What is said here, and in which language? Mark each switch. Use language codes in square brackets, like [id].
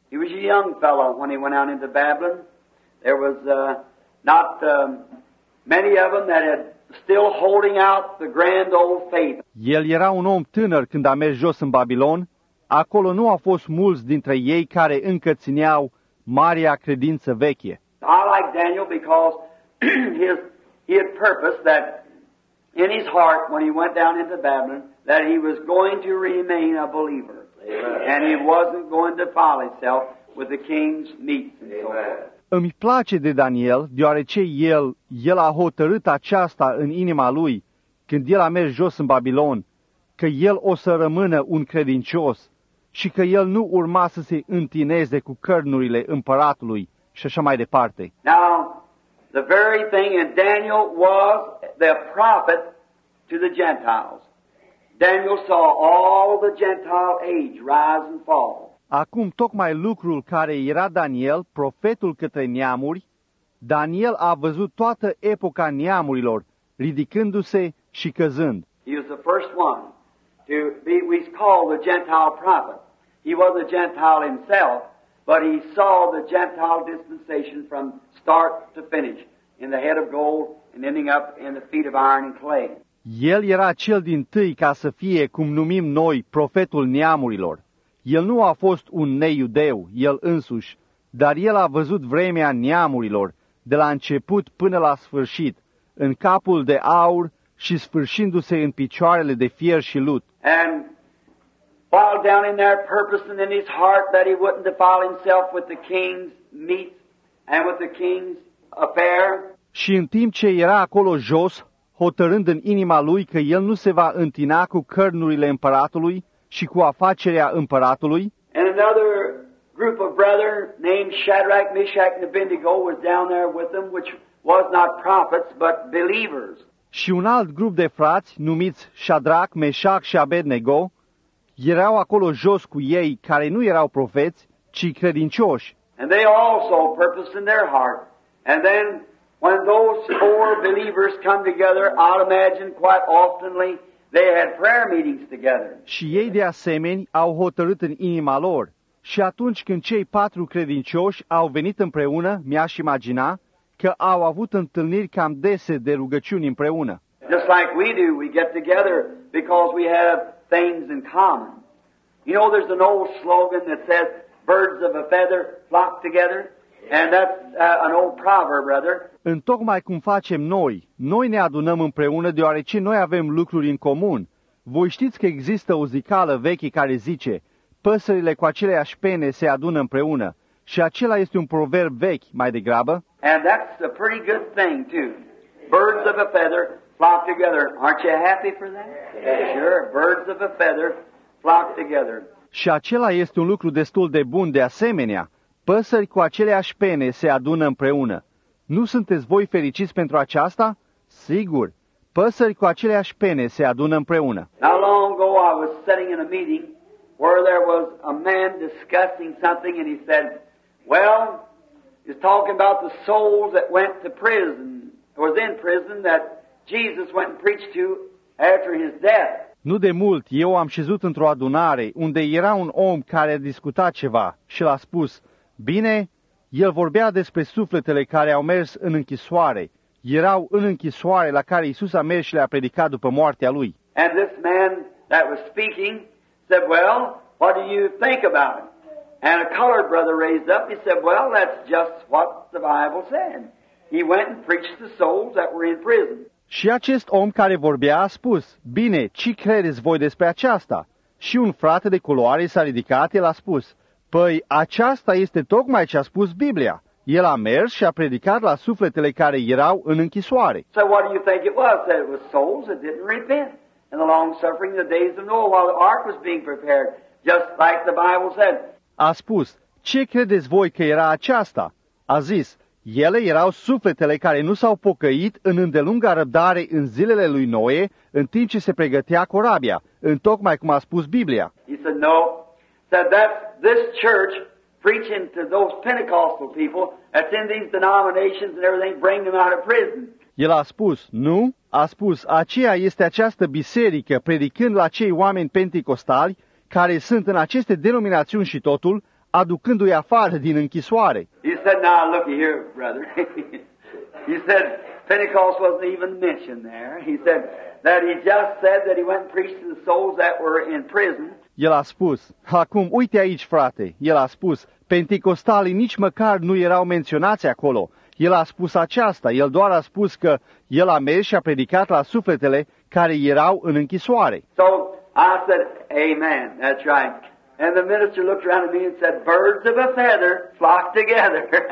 [en] He was a young fellow when he went out into Babylon. There was not many of them that had still holding out the grand old faith. [ro] El era un om tânăr când a mers jos în Babilon. Acolo nu au fost mulți dintre ei care încă țineau marea credință veche. [en] I like Daniel because he had purposed that in his heart when he went down into Babylon that he was going to remain a believer. Amen. And he wasn't going to follow himself with the king's meat and so forth. [ro] Îmi place de Daniel, deoarece el a hotărât aceasta în inima lui, când el a mers jos în Babilon, că el o să rămână un credincios și că el nu urma să se întineze cu cărnurile împăratului și așa mai departe. [en] Now, the very thing in Daniel was the prophet to the Gentiles. Daniel saw all the Gentile age rise and fall. [ro] Acum tocmai lucrul care era Daniel, profetul către neamuri, Daniel a văzut toată epoca neamurilor, ridicându-se și căzând. [en] He was the first one to be we call the Gentile prophet. He was a Gentile himself, but he saw the Gentile dispensation from start to finish, in the head of gold and ending up in the feet of iron and clay. [ro] El era cel dintâi ca să fie, cum numim noi, profetul neamurilor. El nu a fost un neiudeu, el însuși, dar el a văzut vremea neamurilor, de la început până la sfârșit, în capul de aur și sfârșindu-se în picioarele de fier și lut. [en] And while down in there purposing in his heart that he wouldn't defile himself with the king's meat and with the king's affair. [ro] Și în timp ce era acolo jos, hotărând în inima lui că el nu se va întina cu cărnurile împăratului și cu afacerea împăratului. [en] And another group of brethren named Shadrach, Meshach and Abednego was down there with them, which was not prophets but believers. [ro] Și un alt grup de frați, numiți Shadrach, Meshach și Abednego, erau acolo jos cu ei, care nu erau profeți, ci credincioși. [en] And they also purposed in their heart. And then when those four believers come together, I'd imagine quite oftenly they had prayer meetings together. [ro] Și ei de asemenea au hotărât în inima lor. Și atunci când cei patru credincioși au venit împreună, mi-aș imagina că au avut întâlniri cam dese de rugăciuni împreună. [en] Just like we do, we get together because we have things in common. You know, there's an old slogan that says, birds of a feather flock together. And that's an old proverb, rather. [ro] În tocmai cum facem noi, noi ne adunăm împreună deoarece noi avem lucruri în comun. Voi știți că există o zicală veche care zice, păsările cu aceleași pene se adună împreună. Și acela este un proverb vechi, mai degrabă. [en] And that's a pretty good thing, too. Birds of a feather flock together. Aren't you happy for that? Yeah. Sure, birds of a feather flock together. [ro] Și acela este un lucru destul de bun de asemenea. Păsări cu aceleași pene se adună împreună. Nu sunteți voi fericiți pentru aceasta? Sigur, păsări cu aceleași pene se adună împreună. [en] Not long ago I was sitting in a meeting where there was a man discussing something and he said, well, he's talking about the souls that went to prison, or was in prison that Jesus went and preached to after his death. [ro] Nu de mult eu am șezut într-o adunare unde era un om care a discutat ceva și l-a spus, bine, el vorbea despre sufletele care au mers în închisoare. Erau în închisoare la care Iisus a mers și le-a predicat după moartea lui. [en] And this man that was speaking said, well, what do you think about it? And a colored brother raised up, he said, well, that's just what the Bible said. He went and preached the souls that were in prison. [ro] Și acest om care vorbea a spus, bine, ce credeți voi despre aceasta? Și un frate de culoare s-a ridicat, el a spus, păi, aceasta este tocmai ce a spus Biblia. El a mers și a predicat la sufletele care erau în închisoare. [en] So what do you think it was? That it was souls that didn't repent. And the long suffering, the days of Noah, while the ark was being prepared, just like the Bible said. [ro] A spus, ce credeți voi că era aceasta? A zis, ele erau sufletele care nu s-au pocăit în îndelunga răbdare în zilele lui Noe, în timp ce se pregătea corabia, întocmai cum a spus Biblia. [en] He said, no. Said, that's this church preaching to those Pentecostal people that's in these denominations and everything, bring them out of prison. [ro] El a spus, nu, a spus, aceea este această biserică predicând la cei oameni pentecostali care sunt în aceste denominațiuni și totul, aducându-i afară din închisoare. [en] He said, now look here, brother. He said, Pentecost wasn't even mentioned there. He said, that he just said that he went and preached to the souls that were in prison. [ro] El a spus, acum uite aici, frate, el a spus, pentecostalii nici măcar nu erau menționați acolo. El a spus aceasta, el doar a spus că el a mers și a predicat la sufletele care erau în închisoare. [en] So I said, amen, that's right. And the minister looked around at me and said, birds of a feather flock together.